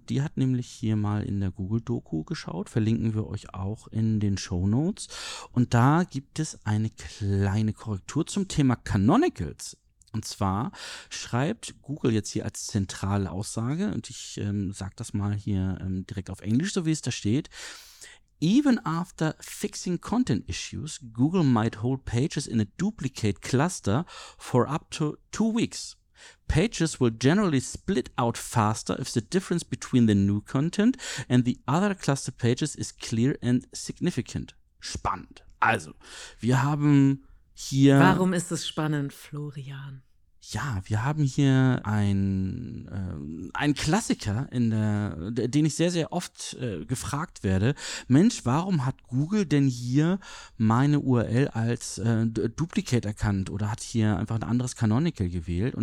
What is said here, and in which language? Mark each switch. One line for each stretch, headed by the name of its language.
German: Die hat nämlich hier mal in der Google-Doku geschaut, verlinken wir euch auch in den Shownotes. Und da gibt es eine kleine Korrektur zum Thema Canonicals. Und zwar schreibt Google jetzt hier als zentrale Aussage, und ich sage das mal hier direkt auf Englisch, so wie es da steht,
English: Even after fixing content issues, Google might hold pages in a duplicate cluster for up to 2 weeks. Pages will generally split out faster if the difference between the new content and the other cluster pages is clear and significant.
German: Spannend. Also, wir haben hier... Warum ist es spannend, Florian? Ja, wir haben hier ein Klassiker, den ich sehr, sehr oft gefragt werde. Mensch, warum hat Google denn hier meine URL als Duplicate erkannt oder hat hier einfach ein anderes Canonical gewählt?